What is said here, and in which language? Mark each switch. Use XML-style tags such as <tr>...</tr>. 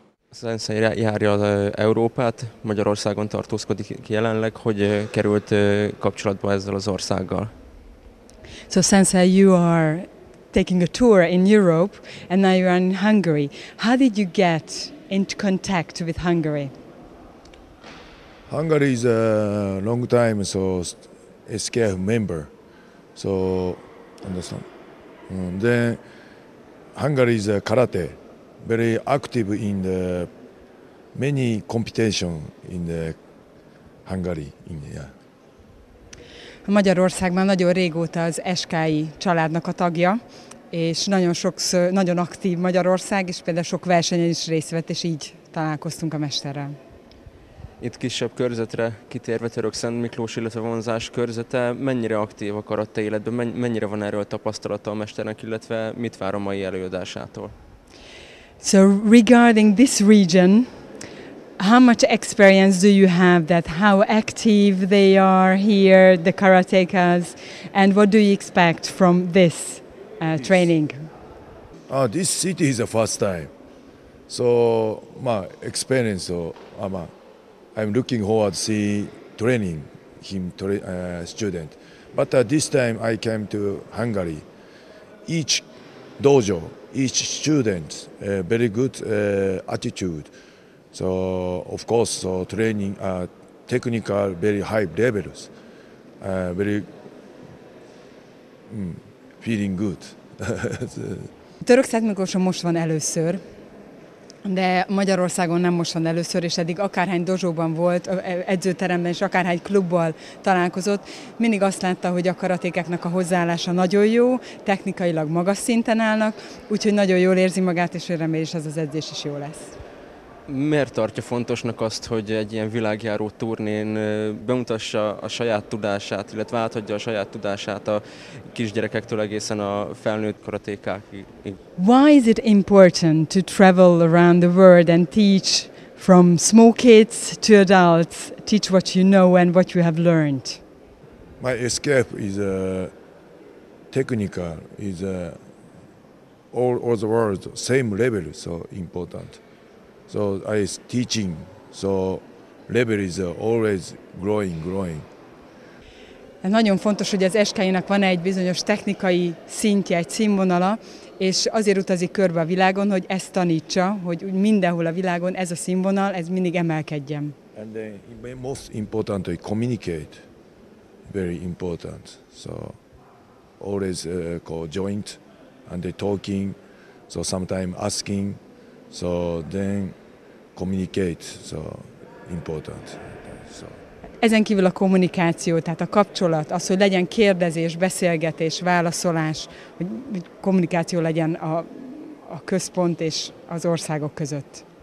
<hu>Szerintem járja az Európát, Magyarországon tartózkodik jelenleg, hogy került kapcsolatba ezzel az országgal.</hu> <en>So Sensei, you are taking a tour in Europe and now you are in Hungary. How did you get into contact with Hungary? Hungary is a long time so SKF member. So understand. Then Hungary is a karate very active in the many competition in the Hungary, India.</en> <hu>A Magyarország már nagyon régóta az SKI családnak a tagja, és nagyon sokszor, nagyon aktív Magyarország, és például sok versenyen is részt vett, és így találkoztunk a mesterrel. itt kisebb körzetre kitérve Törökszent Miklós, illetve vonzás körzete, mennyire aktív a karate életben, mennyire van erről tapasztalata a mesternek, illetve mit vár a mai előadásától?</hu> <en>So regarding this region, how much experience do you have, that how active they are here, the karatekas, and what do you expect from this training? This city is the first time. So my experience, I'm looking forward to see training him, student. But this time I came to Hungary. Each dojo, each student, very good attitude. So of course, so training technical, very high levels, very feeling good.</en> <hu>Törökszent Miklóson most van először, de Magyarországon nem most van először, és eddig akárhány dozsóban volt, edzőteremben és akárhány klubbal találkozott, mindig azt látta, hogy a karatékeknek a hozzáállása nagyon jó, technikailag magas szinten állnak, úgyhogy nagyon jól érzi magát, és remélem, hogy ez az edzés is jó lesz. Miért tartja fontosnak azt, hogy egy ilyen világjáró turnén bemutassa a saját tudását, illetve átadja a saját tudását a kisgyerekektől egészen a felnőtt karatékákig?</hu> <en>Why is it important to travel around the world and teach from small kids to adults, teach what you know and what you have learned? My escape is a technical, is a all the world same level, so important. So I is teaching, so level is always growing.</en> <hu>Nagyon fontos, hogy az SKI-nak van egy bizonyos technikai szintje, egy színvonala, és azért utazik körbe a világon, hogy ezt tanítsa, hogy mindenhol a világon ez a színvonal, ez mindig emelkedjen.</hu> <en>And the most important to communicate, very important. So always call joint and they talking, so sometimes asking, so then communicate, so important. So.</en> <hu>Ezen kívül a kommunikáció, tehát a kapcsolat, az, hogy legyen kérdezés, beszélgetés, válaszolás, hogy kommunikáció legyen a központ és az országok között.</hu>